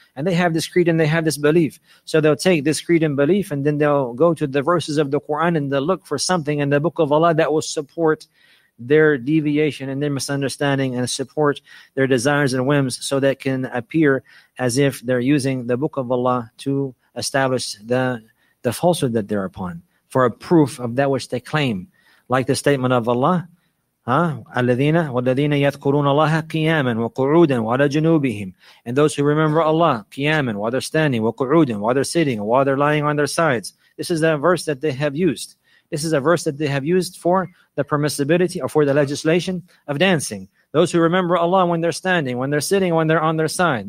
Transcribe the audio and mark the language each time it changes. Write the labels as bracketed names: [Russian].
[English] And they have this creed and they have this belief. So they'll take this creed and belief, and then they'll go to the verses of the Quran, and they'll look for something in the book of Allah that will support their deviation and their misunderstanding, and support their desires and whims, so that can appear as if they're using the book of Allah to establish the falsehood that they're upon for a proof of that which they claim. [Arabic] Like the statement of Allah, الَّذِينَ وَالَّذِينَ يَذْكُرُونَ اللَّهَ قِيَامًا وَقُعُودًا وَعَلَى جُنُوبِهِمْ. [English] And those who remember Allah, قِيَامًا, while they're standing, وَقُعُودًا, while they're sitting, while they're lying on their sides. This is the verse that they have used. This is a verse that they have used for the permissibility or for the legislation of dancing. Those who remember Allah when they're standing, when they're sitting, when they're on their side.